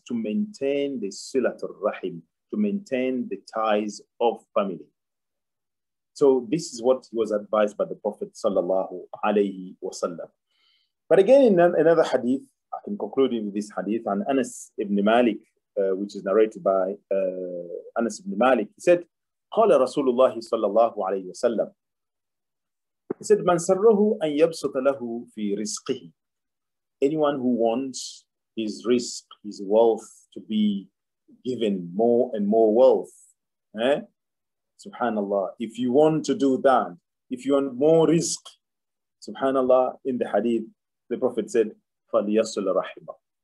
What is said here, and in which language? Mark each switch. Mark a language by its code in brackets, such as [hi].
[en] To maintain the silat rahim, to maintain the ties of family. So this is what was advised by the Prophet sallallahu alayhi wasallam. But again, in another hadith, I can conclude with this hadith on Anas ibn Malik, which is narrated by Anas ibn Malik. He said, [ar] قَالَ رَسُولُ اللَّهِ صَلَّى اللَّهُ عَلَيْهِ وَسَلَّمُ. He said, مَنْ سَرَّهُ أَنْ يَبْسُطَ لَهُ فِي رِزْقِهِ. [en] Anyone who wants his risk, his wealth, to be given more and more wealth. Eh? SubhanAllah. If you want to do that, if you want more risk, SubhanAllah, in the hadith, the Prophet said, [ar] فَلْيَصُلْ رَحِمَهُ.